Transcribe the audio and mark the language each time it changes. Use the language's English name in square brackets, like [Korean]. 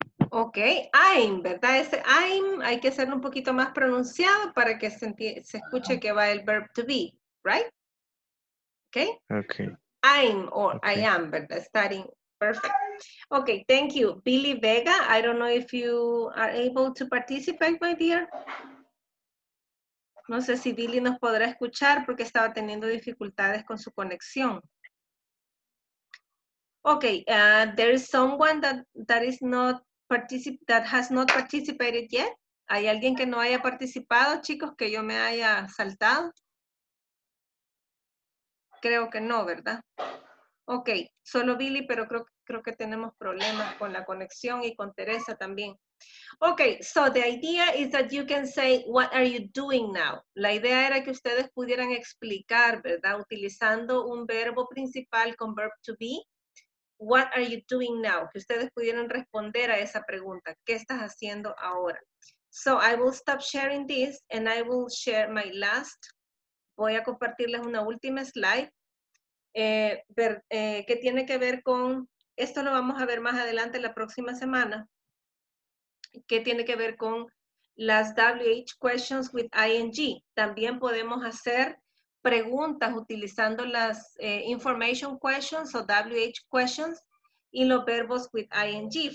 [Spanish] Ok, I'm, ¿verdad? Ese I'm hay que hacerlo un poquito más pronunciado para que se escuche que va el verb to be, right? Ok. [English] Okay. I'm or okay. I am, ¿verdad? Studying. Perfect. Ok, thank you. Billy Vega, I don't know if you are able to participate, my dear. [Spanish] No sé si Billy nos podrá escuchar porque estaba teniendo dificultades con su conexión. [English] Ok, there is someone that is not. That has not participated yet. [Spanish] ¿Hay alguien que no haya participado, chicos, que yo me haya saltado? Creo que no, ¿verdad? Ok, solo Billy, pero creo que tenemos problemas con la conexión y con Teresa también. [English] Ok, so the idea is that you can say, what are you doing now? [Spanish] La idea era que ustedes pudieran explicar, ¿verdad? Utilizando un verbo principal con verb to be. [English] What are you doing now? [Spanish] Que ustedes pudieran responder a esa pregunta. ¿Qué estás haciendo ahora? [English] So I will stop sharing this and I will share my last. [Spanish] Voy a compartirles una última slide. Que tiene que ver con, esto lo vamos a ver más adelante la próxima semana. Que tiene que ver con las WH questions with ING. También podemos hacer preguntas utilizando las information questions o WH questions y los verbos with ING.